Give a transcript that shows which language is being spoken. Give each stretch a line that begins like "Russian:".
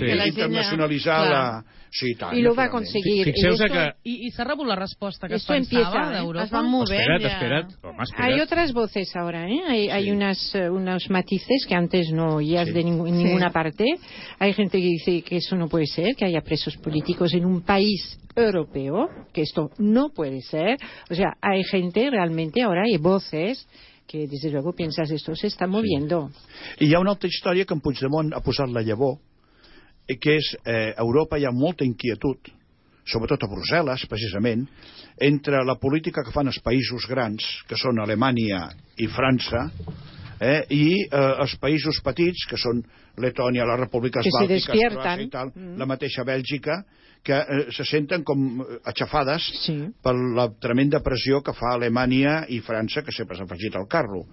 Catalan: internacionalitzar la... Sí, tant, i ho va aconseguir. I s'ha rebut la resposta que es pensava d'Europa. Es va movent. Espera't.
Spanish: Hay otras voces ahora, ¿eh? Hay unos matices que antes no oías de ninguna parte. Hay gente que dice que eso no puede ser, que haya presos políticos en un país europeo, que esto no puede ser. O sea, hay gente realmente ahora, hay voces que desde luego piensas esto se está moviendo.
Catalan: Sí. I hi ha una altra història que en Puigdemont ha posat la llavor, que és Europa hi ha molta inquietud sobretot a Brussel·les, precisament, entre la política que fan els països grans, que són Alemanya i França, i els països petits, que són Letònia, les repúbliques bàltiques, Croàcia i tal, la mateixa Bèlgica, que se senten com aixafades per la tremenda pressió que fa Alemanya i França, que sempre s'han afegit al carro.